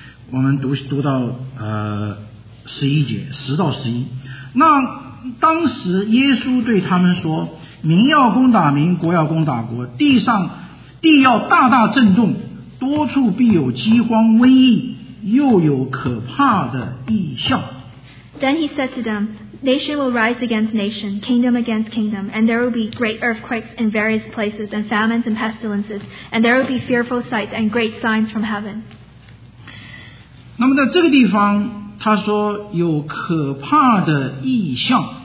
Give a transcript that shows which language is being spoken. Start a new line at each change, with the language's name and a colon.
Chinese: 我们读到十一节，十到十一。那当时耶稣对他们说：“民要攻打民，国要攻打国，地要大大震动，多处必有饥荒瘟疫。” 又有可怕的异象。
English: Then he said to them, Nation will rise against nation, kingdom against kingdom, and there will be great earthquakes in various places, and famines and pestilences, and there will be fearful sights and great signs from heaven.
Chinese: 那么在这个地方，他说有可怕的异象。